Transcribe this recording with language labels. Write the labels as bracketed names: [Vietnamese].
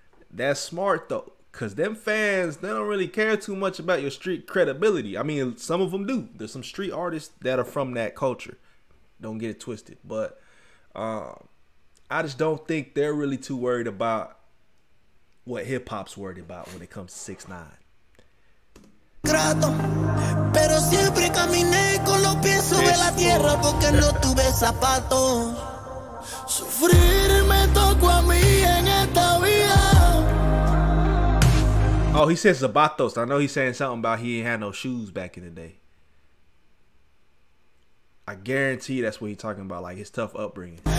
[English] That's smart, though, because them fans, they don't really care too much about your street credibility. I mean, some of them do. There's some street artists that are from that culture. Don't get it twisted. But I just don't think they're really too worried about what hip hop's worried about when it comes to 6ix9ine. [Spanish] Grato, pero siempre caminé con los pies sobre la tierra porque no tuve zapatos. Sufrir me tocó a mí en esta vida. [English] Oh, he says zapatos. I know he's saying something about he ain't had no shoes back in the day. I guarantee that's what he's talking about, like his tough upbringing.